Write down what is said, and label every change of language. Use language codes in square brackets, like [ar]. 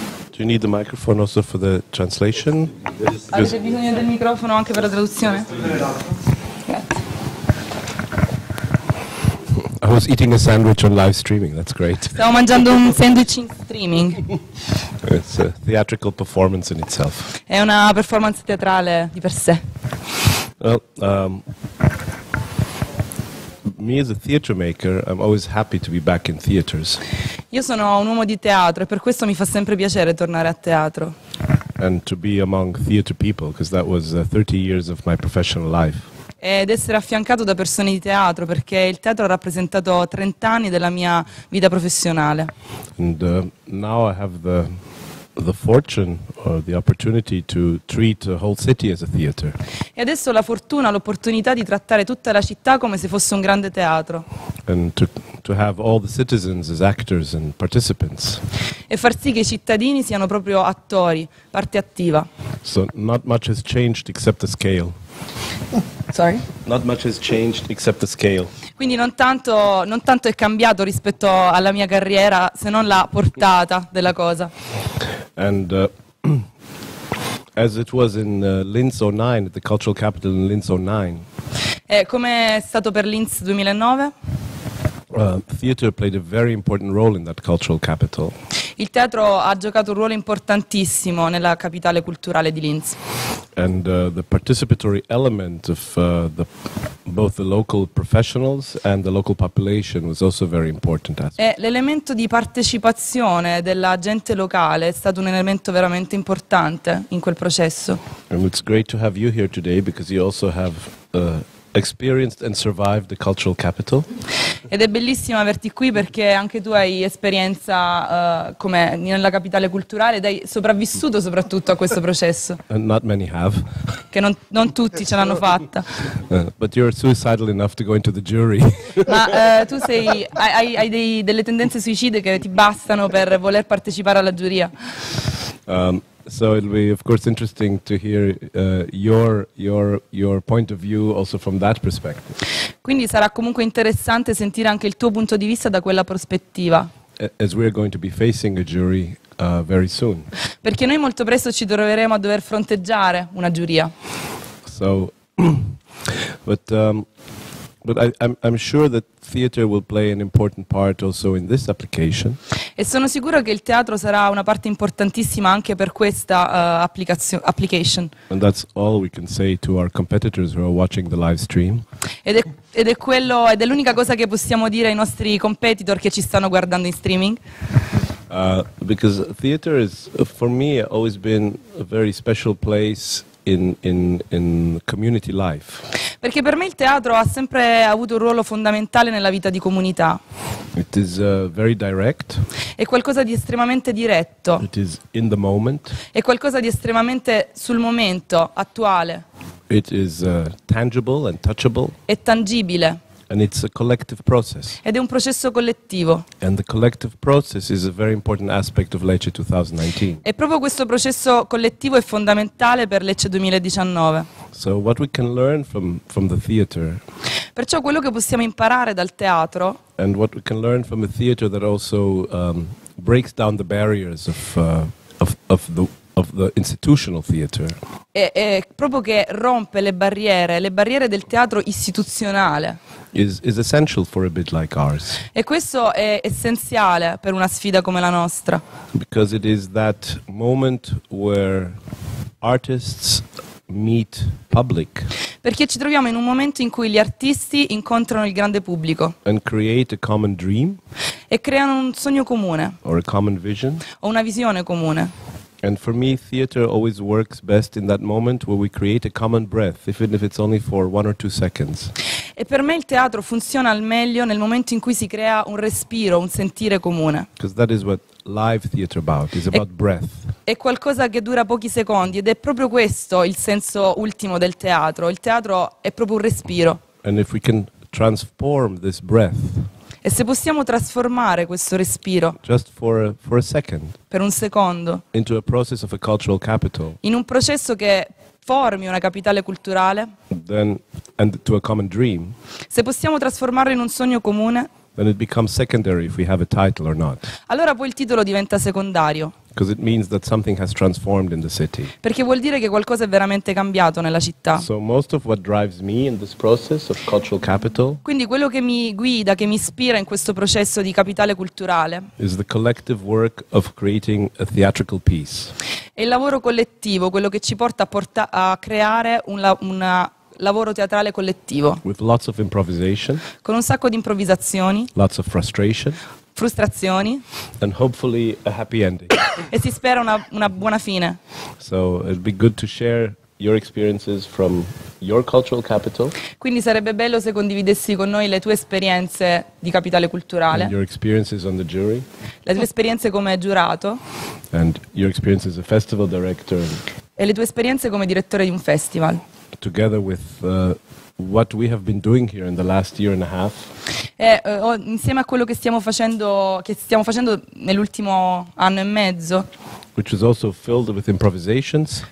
[en] Do you need the microphone also for the translation? [it] Avete bisogno del microfono anche per la traduzione? [en] I was eating a sandwich on live streaming, that's great. [it] Stavo mangiando un sandwich in streaming. [en] It's a theatrical performance in itself. [it] È una performance teatrale di per sé. [en] Well, me as a theatre maker, I'm always happy to be back in theatres. [it] Io sono un uomo di teatro e per questo mi fa sempre piacere tornare a teatro. [en] And to be among theatre people, because that was 30 years of my professional life. [it] Ed essere affiancato da persone di teatro, perché il teatro ha rappresentato 30 anni della mia vita professionale. [en] And now I have the fortune or the opportunity to treat a whole city as a theater. [it] E adesso ho la fortuna, l'opportunità di trattare tutta la città come se fosse un grande teatro. [en] And to have all the citizens as actors and participants. [it] E far sì che i cittadini siano proprio attori, parte attiva. [en] So not much has changed except the scale. Sorry? Not much has changed except the scale. [it] Quindi non tanto è cambiato rispetto alla mia carriera, se non la portata della cosa. [en] And as it was in Linz 09, the cultural capital in Linz 09. [it] Come è stato per Linz 2009? [en] Theater played a very important role in that cultural capital. [it] Il teatro ha giocato un ruolo importantissimo nella capitale culturale di Linz. [en] And the participatory element of both the local professionals and the local population was also very important. [it] E l'elemento di partecipazione della gente locale è stato un elemento veramente importante in quel processo. [en] And it's great to have you here today because you also have experienced and survived the cultural capital. [it] Ed è bellissimo averti qui perché anche tu hai esperienza come nella capitale culturale ed hai sopravvissuto soprattutto a questo processo. [en] And not many have. [it] Che non tutti ce l'hanno fatta. [en] But you're suicidal enough to go into the jury. [it] Ma tu hai delle tendenze suicide che ti bastano per voler partecipare alla giuria. [en] So it'll be of course interesting to hear your point of view also from that perspective. [it] Quindi sarà comunque interessante sentire anche il tuo punto di vista da quella prospettiva. [en] As we are going to be facing a jury very soon. [it] Perché noi molto presto ci troveremo a dover fronteggiare una giuria. [en] So But I'm sure that theater will play an important part also in this application. [it] E sono sicuro che il teatro sarà una parte importantissima anche per questa application. [en] And that's all we can say to our competitors who are watching the live stream. [it] Ed è l'unica cosa che possiamo dire ai nostri competitor che ci stanno guardando in streaming. [en] Because theater is for me always been a very special place in community life. [it] Perché per me il teatro ha sempre avuto un ruolo fondamentale nella vita di comunità. [en] It is very direct. [it] È qualcosa di estremamente diretto. [en] It is in the moment. [it] È qualcosa di estremamente sul momento, attuale. [en] It is tangible and touchable. [it] È tangibile. [en] And it's a collective process. [it] Ed è un processo collettivo. [en] And the collective process is a very important aspect of Lecce 2019. [it] E proprio questo processo collettivo è fondamentale per Lecce 2019. [en] So what we can learn from the theater. [it] Perciò quello che possiamo imparare dal teatro. [en] And what we can learn from a theater that also breaks down the barriers of the institutional theater. [it] È proprio che rompe le barriere del teatro istituzionale. [en] Is essential for a bit like ours. [it] E questo è essenziale per una sfida come la nostra. [en] Because it is that moment where artists meet public. [it] Perché ci troviamo in un momento in cui gli artisti incontrano il grande pubblico. [en] And create a common dream. [it] E creano un sogno comune. [en] Or a common vision. [it] O una visione comune. [en] And for me, theater always works best in that moment where we create a common breath, even if it's only for one or two seconds. [it] E per me il teatro funziona al meglio nel momento in cui si crea un respiro, un sentire comune. [en] Because that is what live theater about. It's about breath. [it] È qualcosa che dura pochi secondi ed è proprio questo il senso ultimo del teatro. Il teatro è proprio un respiro. [en] And if we can transform this breath. [it] E se possiamo trasformare questo respiro [en] just for a second, [it] per un secondo [en] into a process of a cultural capital, [it] in un processo che formi una capitale culturale, [en] then, and to a common dream, [it] se possiamo trasformarlo in un sogno comune, [en] then it becomes secondary if we have a title or not. [it] Allora poi il titolo diventa secondario. [en] Because it means that something has transformed in the city. [it] Perché vuol dire che qualcosa è veramente cambiato nella città. [en] So most of what drives me in this process of cultural capital. [it] Quindi quello che mi guida, che mi ispira in questo processo di capitale culturale. [en] Is the collective work of creating a theatrical piece. [it] È il lavoro collettivo, quello che ci porta a creare un lavoro teatrale collettivo. [en] With lots of improvisation. [it] Con un sacco di improvvisazioni. [en] Lots of frustration. [it] Frustrazioni. [en] And hopefully a happy ending. [it] E si spera una buona fine. [en] So it'd be good to share your experiences from your cultural capital. [it] Quindi sarebbe bello se condividessi con noi le tue esperienze di capitale culturale. [en] And your experiences on the jury. [it] Le tue esperienze come giurato. [en] And your experience as a festival director. [it] E le tue esperienze come direttore di un festival. [en] Together with what we have been doing here in the last year and a half. [it] Insieme a quello che stiamo facendo nell'ultimo anno e mezzo. [en] Which was also filled with improvisations.